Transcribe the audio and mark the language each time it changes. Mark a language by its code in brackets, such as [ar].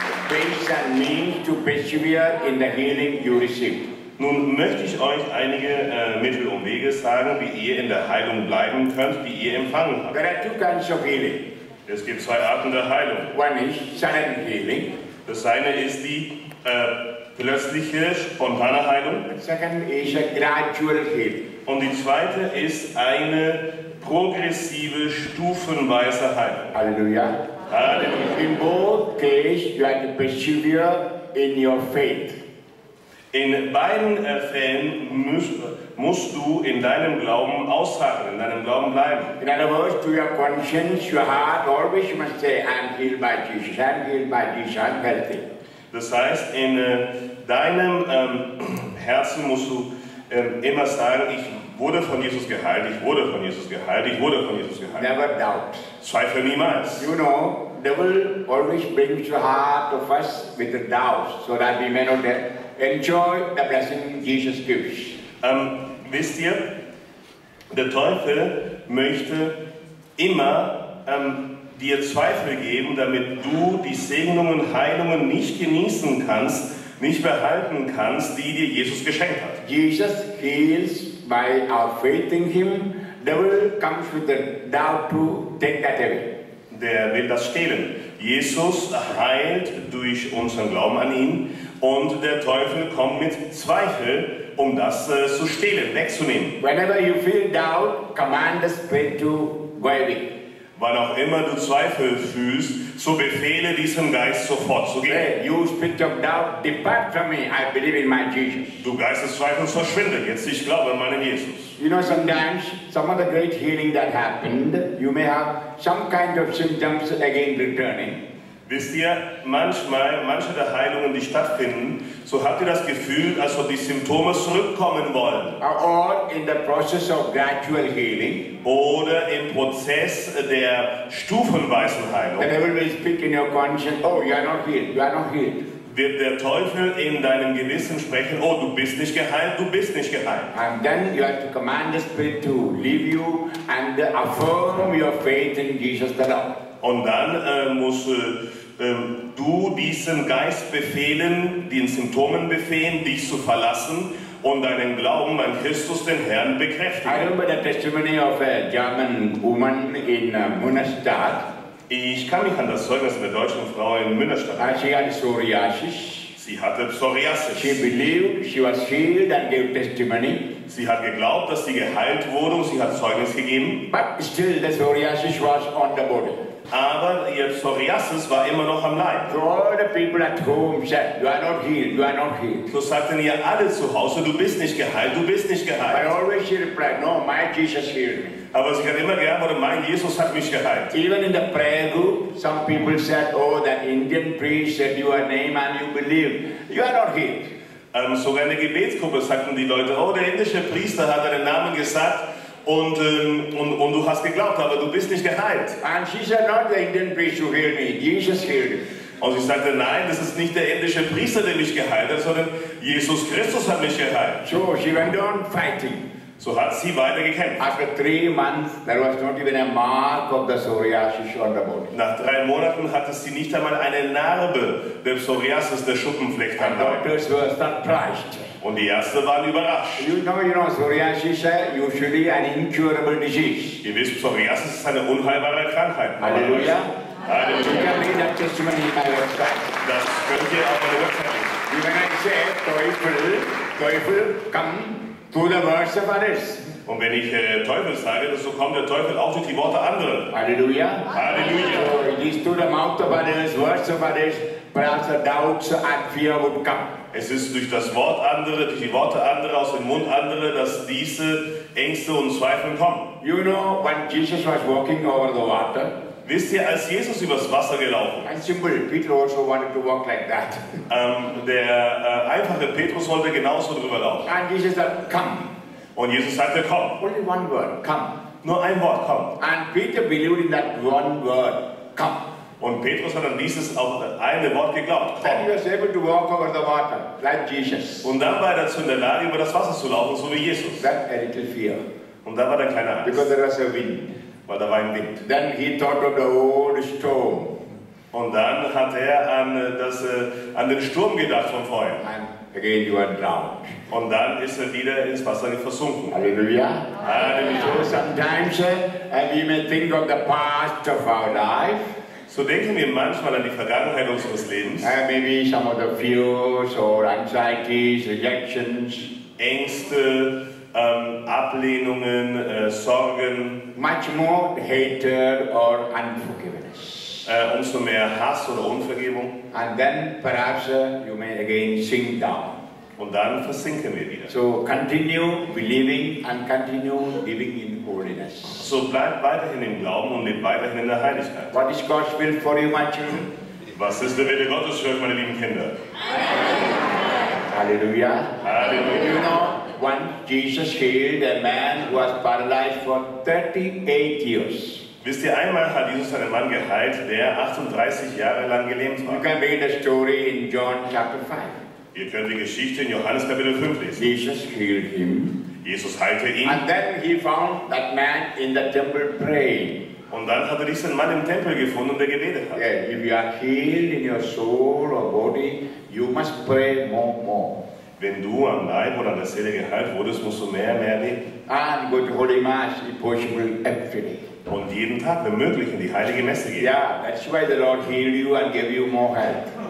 [en] Ways and means to persevere in the healing you received. [de] Nun möchte ich euch einige Mittel und Wege sagen, wie ihr in der Heilung bleiben könnt, die ihr empfangen habt. [en] There are two kinds of healing. [de] Es gibt zwei Arten der Heilung. [en] One is sudden healing. [de] Das eine ist die plötzliche, spontane Heilung. [en] The second is a gradual healing. [de] Und die zweite ist eine progressive, stufenweise Heilung. Halleluja. [en] In both cases, you have to persevere in your faith. [de] In beiden Fällen musst du in deinem Glauben ausharren, in deinem Glauben bleiben. [en] In other words, to your conscience, your heart, always you must say, I'm healed by Jesus, I'm healed by Jesus, I'm healthy. [de] Das heißt, in deinem Herzen musst du immer sagen, ich wurde von Jesus geheilt, ich wurde von Jesus geheilt, ich wurde von Jesus geheilt. [en] Never doubt. [de] Zweifel niemals. [en] You know, the devil always brings your heart to fuss with the doubts, so that we may not enjoy the blessing Jesus gives. [de] Wisst ihr, der Teufel möchte immer dir Zweifel geben, damit du die Segnungen, Heilungen nicht genießen kannst, nicht behalten kannst, die dir Jesus geschenkt hat. [en] Jesus heals by our faith in him. The devil comes with the doubt to take that away. [de] Der will das stehlen. Jesus heilt durch unseren Glauben an ihn und der Teufel kommt mit Zweifel, um das zu stehlen, wegzunehmen. [en] Whenever you feel doubt, command the spirit to go away. [de] Wann auch immer du Zweifel fühlst, so befehle diesem Geist sofort zu gehen. [en] Hey, you spirit of doubt, depart from me. I believe in my Jesus. [de] Du Geist des Zweifels, verschwinde jetzt. Ich glaube an meinen Jesus. [en] You know, sometimes some of the great healing that happened, you may have some kind of symptoms again returning. [de] Wisst ihr, manchmal, manche der Heilungen, die stattfinden, so habt ihr das Gefühl, als ob die Symptome zurückkommen wollen. [en] Or in the process of gradual healing. [de] Oder im Prozess der stufenweisen Heilung. [en] And everybody speak in your conscience, oh, you are not healed, you are not healed. [de] Wird der Teufel in deinem Gewissen sprechen, oh, du bist nicht geheilt, du bist nicht geheilt. [en] And then you have to command the spirit to leave you and affirm your faith in Jesus the Lord. [de] Und dann musst du diesem Geist befehlen, den Symptomen befehlen, dich zu verlassen und deinen Glauben an Christus, den Herrn, bekräftigen. [en] I remember the testimony of a German woman in Münnerstadt. [de] Ich kann mich an das Zeugnis einer deutschen Frau in Münnerstadt erinnern. [en] She had psoriasis. [de] Sie hatte Psoriasis. [en] She believed she was healed and gave testimony. [de] Sie hat geglaubt, dass sie geheilt wurde und sie hat Zeugnis gegeben. [en] But still the psoriasis was on the body. [de] Aber ihr Psoriasis war immer noch am Leib. [en] So all the people at home said, you are not healed, you are not healed. [de] So sagten ihr alle zu Hause, du bist nicht geheilt, du bist nicht geheilt. [en] But always she replied, no, my Jesus healed me. [de] Aber sie hat immer geantwortet, mein Jesus hat mich geheilt. [en] Even in the prayer group, some people said, oh, that Indian priest said your name and you believe. You are not healed. [de] Sogar in der Gebetsgruppe sagten die Leute, oh, der indische Priester hat deinen Namen gesagt. Und du hast geglaubt, aber du bist nicht geheilt. [en] And she said, not the Indian priest who healed me. Jesus healed me. [de] Und sie sagte, nein, das ist nicht der indische Priester, der mich geheilt hat, sondern Jesus Christus hat mich geheilt. [en] So she went on fighting. [de] So hat sie weiter gekämpft. [en] After 3 months, there was not even a mark of the psoriasis on the body. [de] Nach 3 Monaten hatte sie nicht einmal eine Narbe der Psoriasis, der Schuppenfleck am Leib. [en] And doctors were surprised. [de] Und die Ärzte waren überrascht. [en] You know, Psoriasis is usually an incurable disease. [de] Ihr wisst, Psoriasis ist eine unheilbare Krankheit. Halleluja. Halleluja. [en] You can read that testimony in my website. [de] Das könnt ihr auf meiner Website. [en] When I say, Teufel, come to the words of others. [de] Und wenn ich Teufel sage, so kommt der Teufel auch durch die Worte anderer. Halleluja. Halleluja. [en] So it is through the mouth of others, words of others, but also doubts and fear would come. [de] Es ist durch das Wort andere, durch die Worte andere, aus dem Mund andere, dass diese Ängste und Zweifel kommen. [en] You know, when Jesus was walking over the water, [de] wisst ihr, als Jesus übers Wasser gelaufen ist, [en] simple, Peter also wanted to walk like that. [de] Der einfache Petrus wollte genauso drüber laufen. [en] And Jesus said, come. [de] Und Jesus sagte, komm. [en] Only one word, come. [de] Nur ein Wort, komm. [en] And Peter believed in that one word, come. [de] Und Petrus hat an dieses auf eine Wort geglaubt. [en] Then he was able to walk over the water, like Jesus. [de] Und dann war er dazu in der Lage, über das Wasser zu laufen, so wie Jesus. [en] That a little fear. [de] Und da war der kleine Angst. [en] Because there was a wind. [de] Weil da war ein Wind. [en] Then he thought of the old storm. [de] Und dann hat er an den Sturm gedacht von vorhin. [en] And again you are drowned. [de] Und dann ist er wieder ins Wasser versunken. Halleluja. Halleluja. [en] Sometimes we may think of the past of our life. [de] So denken wir manchmal an die Vergangenheit unseres Lebens. [en] Maybe some of the fears or anxieties, rejections. [de] Ängste, Ablehnungen, Sorgen. [en] Much more hatred or unforgiveness. [de] Umso mehr Hass oder Unvergebung. [en] And then perhaps you may again sink down. [de] Und dann versinken wir wieder. [en] So continue believing and continue living in holiness. [de] So bleib weiterhin im Glauben und lebe weiterhin in der Heiligkeit. [en] What is God's will for you, my children? [de] Was ist der Wille Gottes, hört meine lieben Kinder? Halleluja. Halleluja. [en] You know, when Jesus healed a man who was paralyzed for 38 years. [de] Wisst ihr, einmal hat Jesus einen Mann geheilt, der 38 Jahre lang gelähmt war. [en] You can read the story in John chapter 5. [de] Ihr könnt die Geschichte in Johannes Kapitel 5 lesen. [en] Jesus healed him. [de] Jesus heilte ihn. [en] And then he found that man in the temple praying. [de] Und dann hat er diesen Mann im Tempel gefunden, der gebetet hat. [en] Yeah, if you are healed in your soul or body, you must pray more. [de] Wenn du am Leib oder an der Seele geheilt wurdest, musst du mehr beten. [en] And go to Holy Mass, if possible, every day. [de] Und jeden Tag, wenn möglich, in die heilige Messe gehen. [en] Yeah, that's why the Lord healed you and gave you more health.